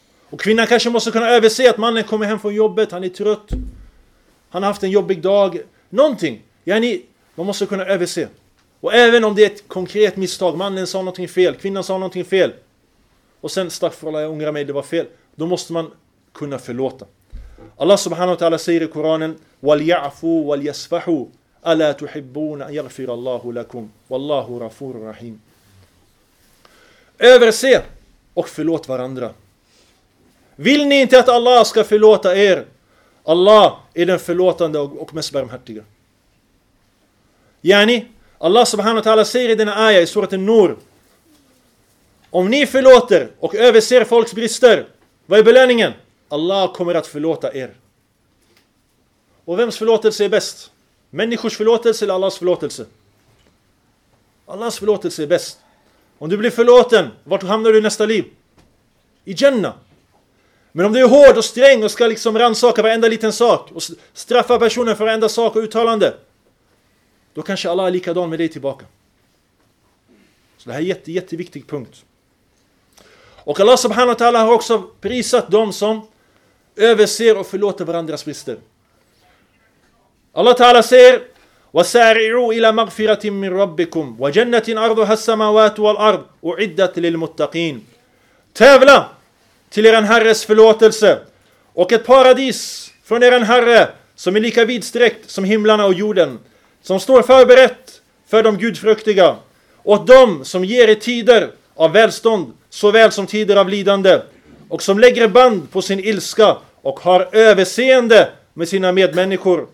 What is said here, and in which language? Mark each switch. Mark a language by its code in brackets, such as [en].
[sv] Och kvinnan kanske måste kunna överse att mannen kommer hem från jobbet. Han är trött. Han har haft en jobbig dag. Någonting. Yani, man måste kunna överse. Och även om det är ett konkret misstag. Mannen sa någonting fel. Kvinnan sa någonting fel. Och sen stack för alla, jag ångrar mig, det var fel. Då måste man kunna förlåta. [ar] Allah subhanahu wa ta'ala [sv] säger i Koranen: [ar] وَلْيَعْفُوا وَلْيَسْفَحُوا أَلَا تُحِبُّونَ يَغْفِرَ اللَّهُ لَكُمْ وَاللَّهُ غَفُورٌ رَحِيمٌ. [sv] Överse och förlåt varandra. Vill ni inte att Allah ska förlåta er? Allah är den förlåtande och mest barmhärtiga. Yani, Allah subhanahu wa ta'ala säger i denna ayah i surat An-Nur: om ni förlåter och överser folks brister, vad är belöningen? Allah kommer att förlåta er. Och vems förlåtelse är bäst? Människors förlåtelse eller Allahs förlåtelse? Allahs förlåtelse är bäst. Om du blir förlåten, vart hamnar du i nästa liv? I Jannah. Men om du är hård och sträng och ska liksom rannsaka varenda liten sak och straffa personen för varenda sak och uttalande, då kanske Allah är likadan med dig tillbaka. Så det här är jätteviktig punkt. Och Allah subhanahu wa ta'ala har också prisat dem som överser och förlåter varandras brister. [ar] Allah ta'ala [sv] säger: [ar] وَسَارِعُوا إِلَى مَغْفِرَةٍ مِّن رَبِّكُمْ وَجَنَّةٍ أَرْضُهَا السَّمَوَاتُ وَالْأَرْضُ أُعِدَّتْ لِلْمُتَّقِينَ. [sv] Tävla till er herres förlåtelse och ett paradis från er herre som är lika vidsträckt som himlarna och jorden, som står förberett för de gudfruktiga och de som ger er tider av välstånd såväl som tider av lidande, och som lägger band på sin ilska och har överseende med sina medmänniskor.